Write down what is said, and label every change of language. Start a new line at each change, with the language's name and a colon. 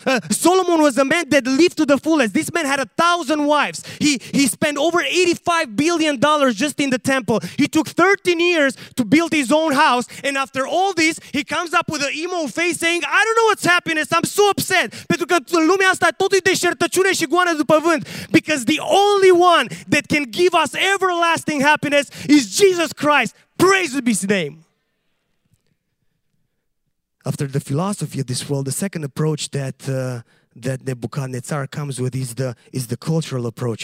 English: Solomon was a man that lived to the fullest. This man had 1,000 wives. He spent over $85 billion just in the temple. He took 13 years to build his own house. And after all this, he comes up with an emo face saying, I don't know what's happiness. I'm so upset.
Romanian: Pentru că în lumea asta tot e deșertăciune și goană după vânt.
English: Because the only one that can give us everlasting happiness is Jesus Christ. Praise be His name. After the philosophy of this world, the second approach that that Nebuchadnezzar comes with is the cultural approach.